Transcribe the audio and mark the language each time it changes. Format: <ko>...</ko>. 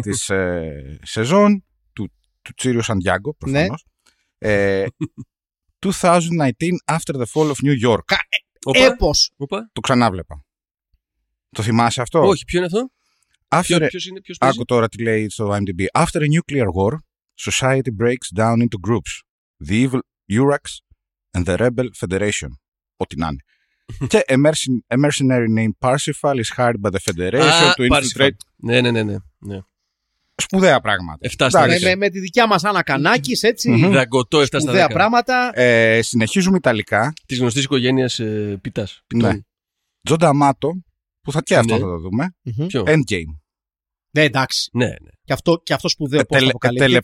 <el>Τη σεζόν του Τσίριο Σαντιάγκο, προφανώς. Ναι. 2019 After the Fall of New York. Έπως. Το ξανάβλεπα. Το θυμάσαι αυτό? Όχι, ποιο είναι αυτό? Ποιος άκου τώρα τι λέει στο IMDb.</el> <en>After a nuclear war, society breaks down into groups. The evil Urax and the Rebel Federation.</en> <el>Ό,τι να είναι. Και</el> <en>a mercenary named Parsifal is hired by the Federation to infiltrate.</en> <el>Ναι, ναι, ναι, ναι. σπουδαία πράγματα. 7 στα 10. Με τη δικιά μας Άννα Κανάκης, έτσι. Mm-hmm. Δαγκωτό, 7 στα 10. Σπουδαία πράγματα. Συνεχίζουμε ιταλικά. Της γνωστής οικογένειας Πίτας. Ναι. Τζον Ντάμάτο, που θα και αυτό θα το δούμε. Ποιο? Endgame. Ναι, εντάξει. Ναι, ναι. Και αυτό, και αυτό σπουδαίο πώς αποκαλύπτει.</el>